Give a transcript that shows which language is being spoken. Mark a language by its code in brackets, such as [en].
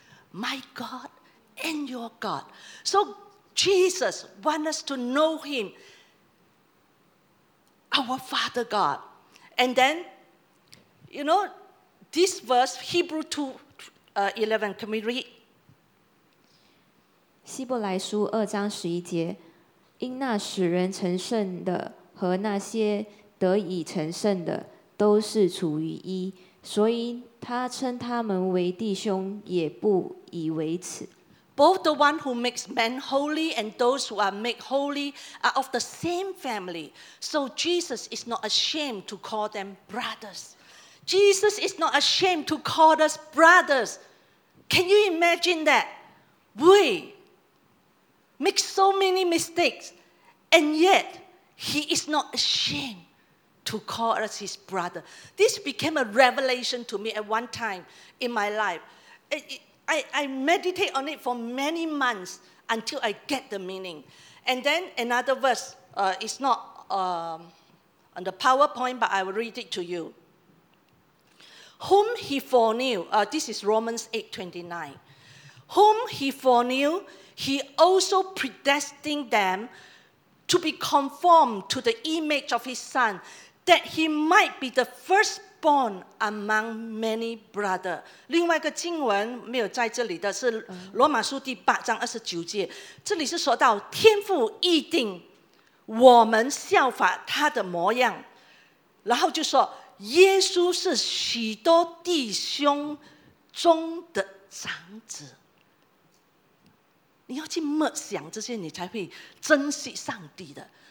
[en] My God and your God. So Jesus wants us to know him, our Father God. And then, you know, this verse, Hebrew 2,11, can we read? [zh] 希伯来书二章十一节，因那使人成圣的和那些得以成圣的都是处于一，所以他称他们为弟兄也不以为耻。 [en] Both the one who makes men holy and those who are made holy are of the same family. So Jesus is not ashamed to call them brothers. Jesus is not ashamed to call us brothers. Can you imagine that? We make so many mistakes, and yet he is not ashamed to call us his brother. This became a revelation to me at one time in my life. I meditate on it for many months until I get the meaning. And then another verse, it's not on the PowerPoint, but I will read it to you. Whom he foreknew, this is Romans 8:29. Whom he foreknew, he also predestined them to be conformed to the image of his son, that he might be the firstborn among many brothers. [zh] 另外一个经文没有在这里的是罗马书第八章二十九节，这里是说到天父预定我们效法他的模样，然后就说。耶稣是许多弟兄中的长子，你要去默想这些，你才会珍惜上帝的。